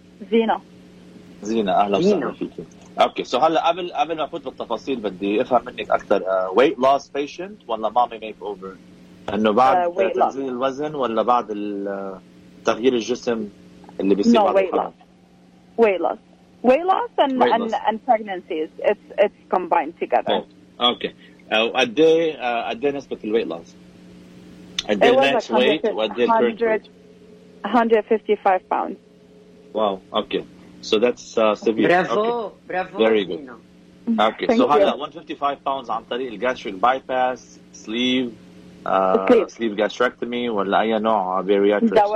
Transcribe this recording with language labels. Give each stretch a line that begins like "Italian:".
Arabic: زينة زينة أهلا وسهلا فيكي أوكي سو هلا قبل ما أفوت بالتفاصيل بدي أفهم منك أكثر weight loss patient ولا mommy makeover إنه بعد تنزيل الوزن ولا بعد تغيير الجسم اللي بيصير
English: no, weight loss. Weight loss. Weight loss and weight and loss. And pregnancies it's combined together. Oh, okay.
Arabic: أدي نسبة ال weight loss. أدي max weight.
English: What did 155 pounds. Wow. Okay. So that's severe. Bravo. Okay. Bravo. Very good. Okay. so هلا 155 pounds عن طريق gastric bypass sleeve sleeve gastrectomy ولا أي نوع bariatric.